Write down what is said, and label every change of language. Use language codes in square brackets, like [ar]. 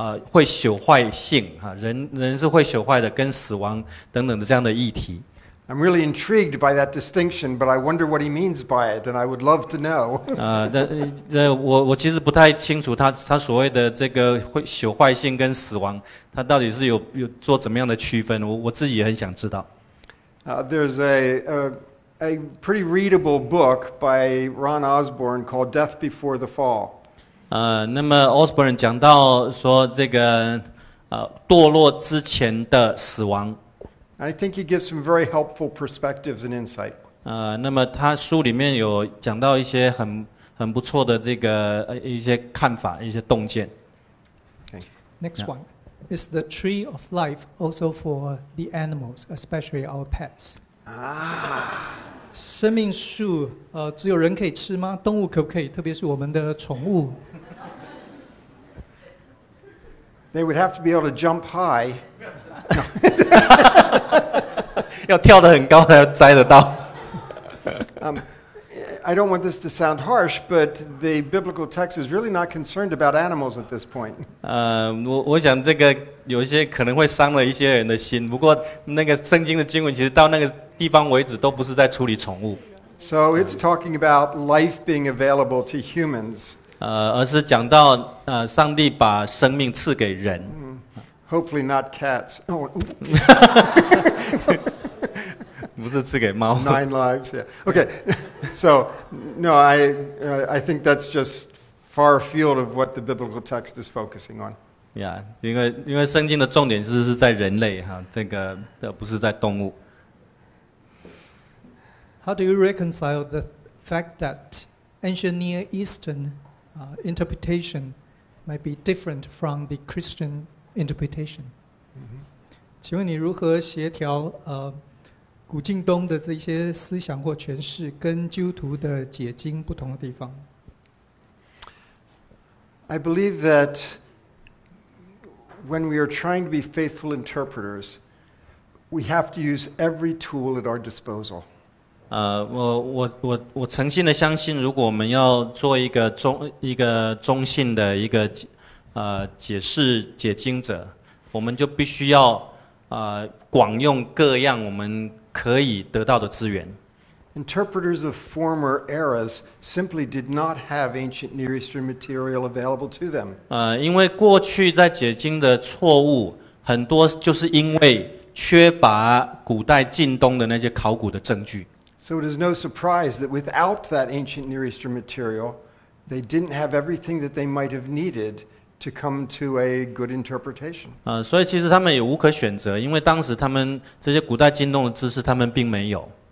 [zh] 会朽坏性人是会朽坏的，跟死亡等等的这样的议题。 [en] I'm really intrigued by that distinction, but I wonder what he means by it, and I would love to know. [zh] 我其实不太清楚他所谓的这个会朽坏性跟死亡，他到底是有做怎么样的区分？我自己也很想知道。 [en] There's a pretty readable book by Ron Osborne called Death Before the Fall. [zh] 那么 Osborne 讲到说这个堕落之前的死亡。 [en] I think he gives some very helpful perspectives and insight. [zh] 那么他书里面有讲到一些很不错的这个一些看法，一些洞见。 [en] Okay. Next one is the tree of life also for the animals, especially our pets. [zh] 生命树只有人可以吃吗？动物可不可以？特别是我们的宠物。 [en] They would have to be able to jump high. [zh] 要跳得很高才摘得到。 [en] I don't want this to sound harsh, but the biblical text is really not concerned about animals at this point. [zh] 我想这个有些可能会伤了一些人的心，不过那个圣经的经文其实到那个地方为止都不是在处理宠物。 [en] So it's talking about life being available to humans. [zh] 而是讲到上帝把生命赐给人。 [en] Hopefully not cats. Oh. [zh] 不是赐给猫。 [en] Nine lives, yeah. Okay, so, no, I think that's just far afield of what the biblical text is focusing on. [zh] Yeah, 因为圣经的重点是在人类哈，这个不是在动物。 [en] How do you reconcile the fact that ancient Near Eastern... interpretation might be different from the Christian interpretation. [zh] 请问你如何协调古近东的这些思想或诠释跟基督徒的解经不同的地方？ [en] I believe that when we are trying to be faithful interpreters, we have to use every tool at our disposal. [zh] 我诚信的相信，如果我们要做一个中信的解释解经者，我们就必须要广用各样我们可以得到的资源。 [en] Interpreters of former eras simply did not have ancient Near Eastern material available to them. [zh] 因为过去在解经的错误很多，就是因为缺乏古代近东的那些考古的证据。 [en] So it is no surprise that without that ancient Near Eastern material, they didn't have everything that they might have needed to come to a good interpretation. [zh] 所以其实他们也无可选择，因为当时他们这些古代经动的知识他们并没有。